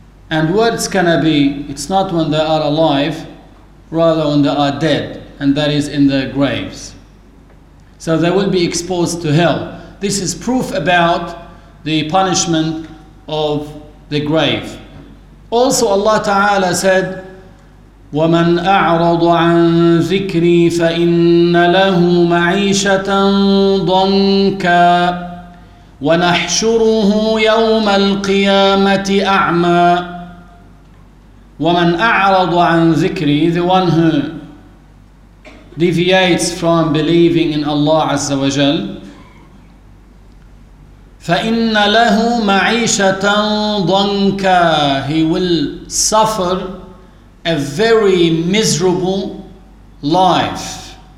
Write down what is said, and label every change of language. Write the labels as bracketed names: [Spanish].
[English] And what it's gonna be, it's not when they are alive, rather when they are dead, and that is in their graves. So they will be exposed to hell. This is proof about the punishment of the grave. Also Allah Ta'ala said, [Arabic] وَمَنْ أَعْرَضُ عَنْ ذِكْرِي فَإِنَّ لَهُ مَعِيشَةً ضَنْكًا وَنَحْشُرُهُ يَوْمَ الْقِيَامَةِ أَعْمَى. وَمَنْ أَعْرَضُ عَنْ ذِكْرِي, [English] the one who deviates from believing in Allah Azza wa Jal, [Arabic] فَإِنَّ لَهُ مَعِيشَةً ضَنْكًا, [English] he will suffer a very miserable life.